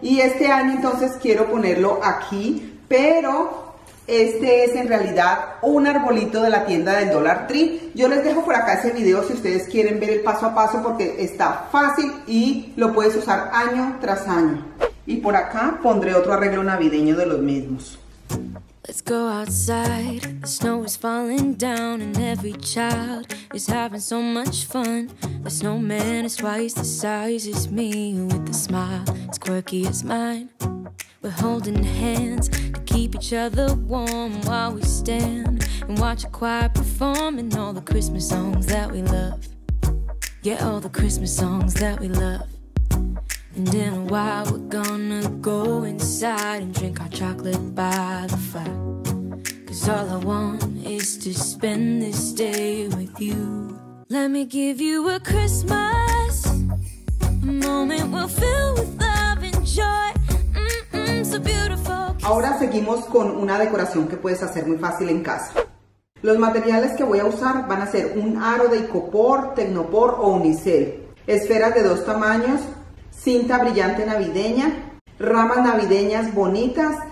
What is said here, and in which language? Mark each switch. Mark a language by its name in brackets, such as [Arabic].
[Spanish] Y este año entonces quiero ponerlo aquí, pero este es en realidad un arbolito de la tienda del Dollar Tree. Yo les dejo por acá ese video si ustedes quieren ver el paso a paso, porque está fácil y lo puedes usar año tras año. Y por acá pondré otro arreglo navideño de los mismos. [English] Let's go outside, the snow is falling down and every child is having so much fun. The snowman is twice the size as me with a smile as quirky as mine. We're holding hands to keep each other warm while we stand and watch a choir perform and all the Christmas songs that we love. Yeah, all the Christmas songs that we love. And in a while we're gonna go inside and drink our chocolate by the fire. Cause all I want is to spend this day with you. Let me give you a Christmas, a moment we'll fill with love and joy. So beautiful. [Spanish] Ahora seguimos con una decoración que puedes hacer muy fácil en casa. Los materiales que voy a usar van a ser un aro de icopor, tecnopor o unicel, esferas de 2 tamaños, cinta brillante navideña, ramas navideñas bonitas.